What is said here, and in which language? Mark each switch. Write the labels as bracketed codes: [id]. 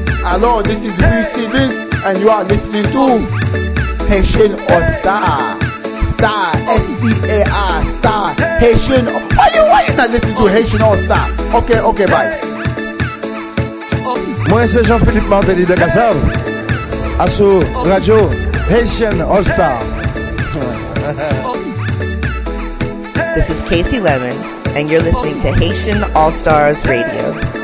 [en] Hello, this is BCBs, and you are listening to Haitian All-Star, Star, S-T-A-R, Star, Haitian, why you not listening to Haitian All-Star? Okay, okay, bye. [fr] Moi, c'est Jean-Philippe Martelly de Gassav, à sous radio Haitian All-Star. [en] This is Casey Lemons, and you're listening to Haitian All-Stars Radio.